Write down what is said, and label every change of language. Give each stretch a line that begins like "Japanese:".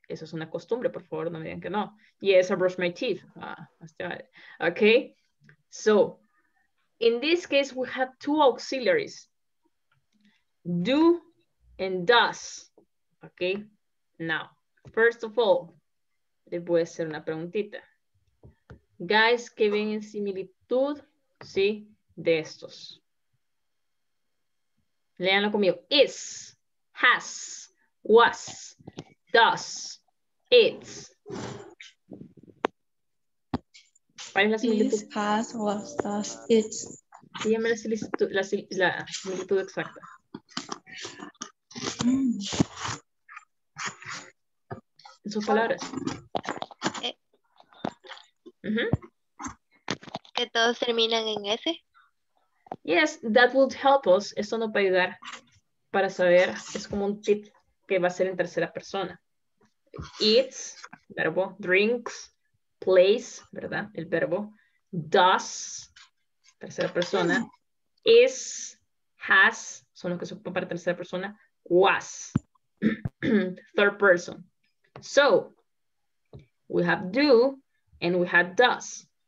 Spanish: Eso es una costumbre, por favor, no me digan que no.
English: Yes, I brush my teeth. Okay, so... In this case, we have two auxiliaries, do and does, okay? Now, first of all,
Spanish: le voy a hacer una preguntita. Guys, ¿qué ven en similitud, sí, de estos? Léanlo conmigo. Is, has, was, does, it's. ¿Cuál es la similitud? Dígame la similitud exacta. En sus palabras. Que todos terminan en S.
English: Yes, that would help us.
Spanish: Eso nos va a ayudar para saber. Es como un tip que va a ser en tercera persona. Eats, verbo, drinks. Place, ¿verdad? El verbo. Does, tercera persona. Is, has, son los que se ocupan para tercera persona.
English: Was, third person. So, we have do and we have does.